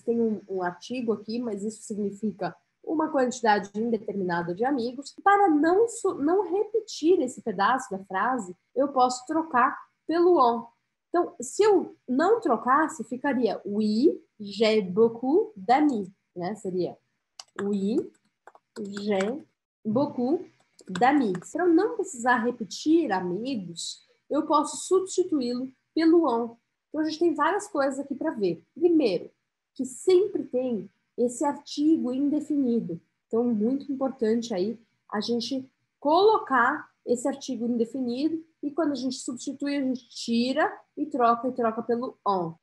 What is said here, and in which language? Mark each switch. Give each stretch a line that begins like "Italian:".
Portuguese: Tem um artigo aqui, mas isso significa uma quantidade indeterminada de amigos. Para não repetir esse pedaço da frase, eu posso trocar pelo on. Então, se eu não trocasse, ficaria
French: oui, j'ai beaucoup d'amis,
Portuguese: né? Seria
French: oui, j'ai beaucoup d'amis.
Portuguese: Para eu não precisar repetir amigos, eu posso substituí-lo pelo on. Então, a gente tem várias coisas aqui para ver. Primeiro, que sempre tem esse artigo indefinido. Então, muito importante aí a gente colocar esse artigo indefinido e quando a gente substitui, a gente tira e troca pelo on.